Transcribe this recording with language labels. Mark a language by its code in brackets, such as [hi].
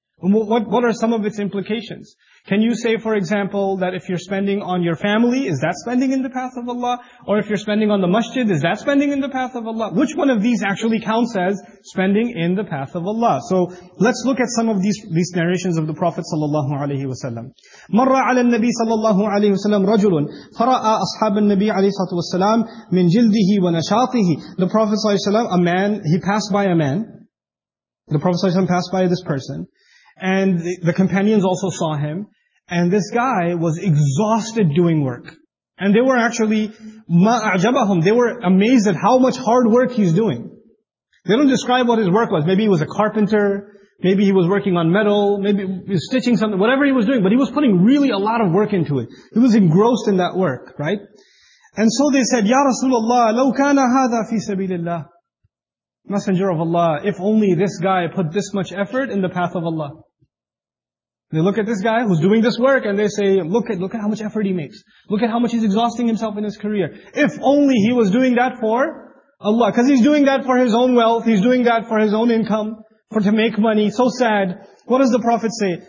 [en] What are some of its implications? Can you say, for example, that if you're spending on your family, is that spending in the path of Allah? Or if you're spending on the masjid, is that spending in the path of Allah? Which one of these actually counts as spending in the path of Allah? So let's look at some of these narrations of the Prophet sallallahu alaihi wasallam. [ar] مَرَّ عَلَى النَّبِي sallallahu alaihi wasallam رَجُلٌ فَرَأَى أَصْحَابَ النَّبِي عَلَيْهِ وَسَلَّمَ مِنْ جِلْدِهِ وَنَشَاطِهِ. [en] The Prophet sallallahu alaihi wasallam, The Prophet sallallahu alaihi wasallam passed by this person. And the companions also saw him. And this guy was exhausted doing work. And they were actually, [ar] مَا أَعْجَبَهُمْ. [en] They were amazed at how much hard work he's doing. They don't describe what his work was. Maybe he was a carpenter. Maybe he was working on metal. Maybe he was stitching something. Whatever he was doing. But he was putting really a lot of work into it. He was engrossed in that work, right? And so they said, [ar] يَا رَسُولَ اللَّهِ لَوْ كَانَ هَذَا فِي سَبِيلِ اللَّهِ. [en] Messenger of Allah, if only this guy put this much effort in the path of Allah. They look at this guy who's doing this work and they say, look at how much effort he makes. Look at how much he's exhausting himself in his career. If only he was doing that for Allah. Because he's doing that for his own wealth, he's doing that for his own income, for to make money. So sad. What does the Prophet say?